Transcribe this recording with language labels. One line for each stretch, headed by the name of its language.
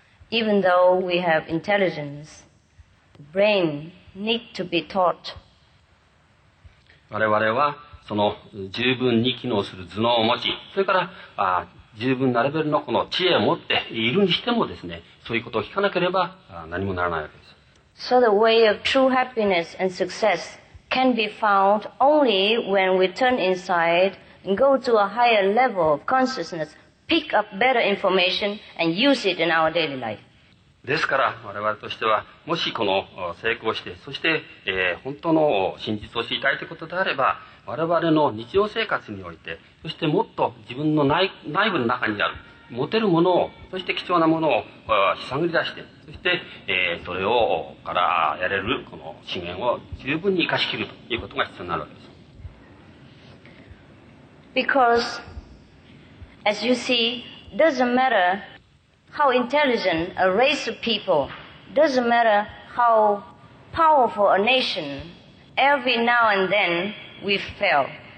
English: Even though we have intelligence, the brain need to be taught.
Japanese: 我々はその十分に機能する頭脳を持ち、それから十分なレベル の, この知恵を持っているにしてもですね、そういうことを聞かなければ何もならないわけです。
English: So the way of true happiness and success can be found only when we turn inside and go to a higher level of consciousness, pick up better information and use it in our daily life.
Japanese: ですから我々としては、もしこの成功して、そして本当の真実を知りたいということであれば、我々の日常生活において、そしてもっと自分の 内部の中にある持てるものを、そして貴重なものを探り出して、そしてそれをからやれるこの資源を十分に生かしきるということが必要になるわけです。
English: Because as you see, doesn't matterHow intelligent a race of people, doesn't matter how powerful a nation, every now and then we fail.